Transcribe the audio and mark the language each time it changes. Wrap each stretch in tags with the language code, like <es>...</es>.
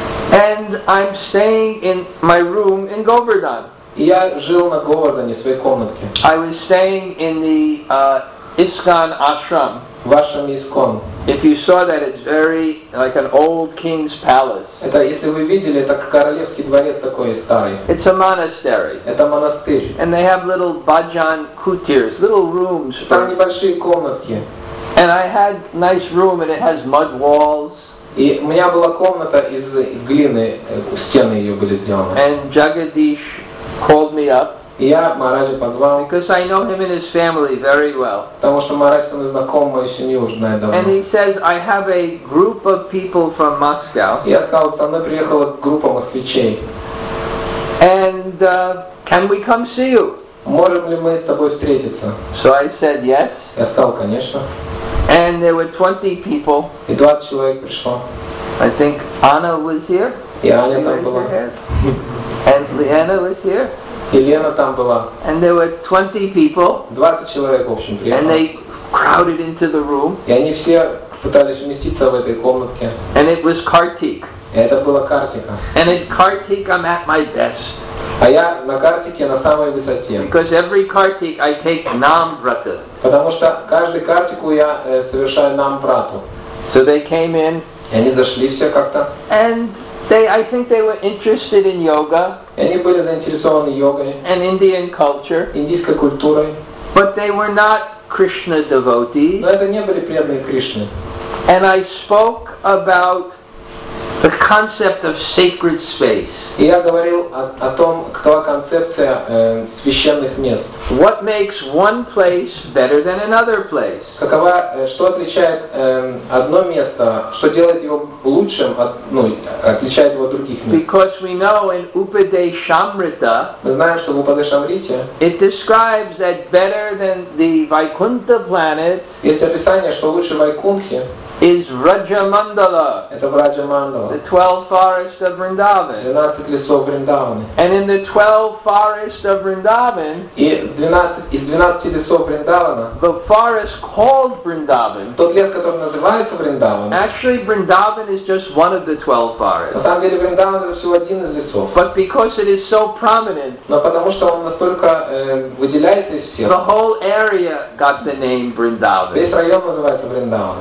<en>And I'm staying in my room in Govardhan.</en> <ru>Я жил на Говардане в своей комнатке.</ru> <en>I was staying in the Iskon Ashram.</en> <ru>Вашем Искон.</ru> <en>If you saw that, it's very like an old king's palace.</en> <ru>Это если вы видели, это королевский дворец такой старый.</ru> <en>It's a monastery.</en> <ru>Это монастырь.</ru> <en>And they have little bhajan kutirs, little rooms.</en> <ru>Там небольшие комнатки.</ru> <en>And I had nice room, and it has mud walls.</en> <ru>И у меня была комната из глины, стены ее были сделаны.</ru> <en>And Jagadish called me up.</en> <ru>Я Махараджа позвал.</ru> <en>Because I know him and his family very well.</en> <ru>Потому что Махараджа мы знакомы, мою семью уже знаю давно.</ru> <en>And he says, I have a group of people from Moscow.</en> <ru>Я сказал, со мной приехала группа москвичей.</ru> <en>And can we come see you?</en> <ru>Можем ли мы с тобой встретиться?</ru> <en>So I said yes.</en> <ru>Я сказал, конечно.</ru> <en>And there were 20 people.</en> <ru>И 20 человек пришло.</ru> <en>I think Anna was here.</en> <ru>И Аня там была.</ru> <en>And Liana was here.</en> <ru>Елена там была.</ru> <en>And there were 20 people.</en> <ru>20 человек, в общем, приехало.</ru> <en>And they crowded into the room.</en> <ru>И они все пытались уместиться в этой комнатке.</ru> <en>And it was Kartik.</en> <ru>И это была Картика.</ru> <en>And at Kartik, I'm at my best.</en> <ru>А я на Картике на самой высоте.</ru> <en>Because every Kartik I take Namvrata.</en> <ru>Потому что каждый Картику я совершаю Намврату.</ru> <en>So they came in.</en> <ru>И они зашли все как-то.</ru> <en>And they, I think they were interested in yoga.</en> <ru>Они были заинтересованы йогой.</ru> <en>And Indian culture.</en> <ru>Индийской культурой.</ru> <en>But they were not Krishna devotees.</en> <ru>Но это не были преданные Кришне.</ru> <en>And I spoke about the concept of sacred space.</en> <ru>И я говорил о том, какова концепция священных мест.</ru> <en>What makes one place better than another place?</en> <ru>Какова, что отличает одно место, что делает его лучшим, ну, отличает его от других мест?</ru> <en>Because we know in Upadeshamrita,</en> <ru>мы знаем, что в Упадешамрите,</ru> <en>it describes that better than the Vaikuntha planet,</en> <ru>есть описание, что лучше Вайкунхи,</ru> <en>is Rajamandala.</en> <ru>Это Раджамандала.</ru> <en>The 12 forests of Vrindavan.</en> <ru>12 лесов Вриндавана.</ru> <en>And in the 12 forests of Vrindavan,</en> <ru>из 12 лесов Вриндавана,</ru> <en>the forest called Vrindavan,</en> <ru>тот лес, который называется Вриндаван,</ru> <en>actually Vrindavan is just one of the 12 forests.</en> <ru>На самом деле Вриндаван это всего один из лесов.</ru> <en>But because it is so prominent,</en> <ru>но потому что он настолько выделяется из всех,</ru> <en>the whole area got the name Vrindavan.</en> <ru>Весь район называется Вриндаван.</ru>